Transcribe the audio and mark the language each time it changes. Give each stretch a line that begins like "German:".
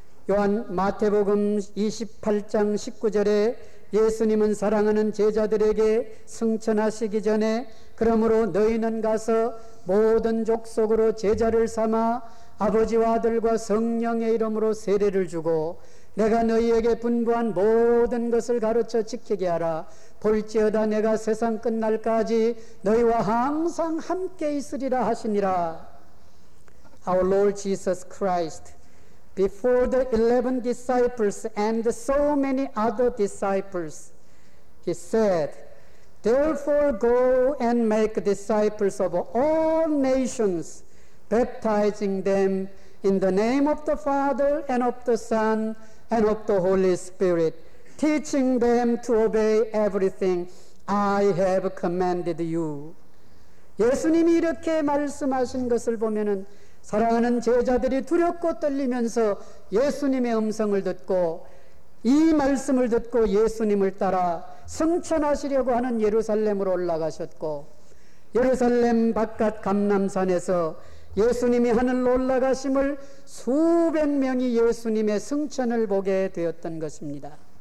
Korean: 요한 마태복음 28장 19절에 예수님은 사랑하는 제자들에게 승천하시기 전에 그러므로 너희는 가서 모든 족속으로 제자를 삼아 아버지와 아들과 성령의 이름으로 세례를 주고 내가 너희에게 분부한 모든 것을 가르쳐 지키게 하라. 볼지어다 내가 세상 끝날까지 너희와 항상 함께 있으리라 하시니라.
English: Our Lord Jesus Christ, before the 11 disciples and so many other disciples, he said, Therefore go and make disciples of all nations, baptizing them in the name of the Father and of the Son and of the Holy Spirit, teaching them to obey everything I have commanded you.
Korean: 예수님이 이렇게 말씀하신 것을 보면은 사랑하는 제자들이 두렵고 떨리면서 예수님의 음성을 듣고 이 말씀을 듣고 예수님을 따라 승천하시려고 하는 예루살렘으로 올라가셨고 예루살렘 바깥 감람산에서 예수님이 하늘로 올라가심을 수백 명이 예수님의 승천을 보게 되었던 것입니다.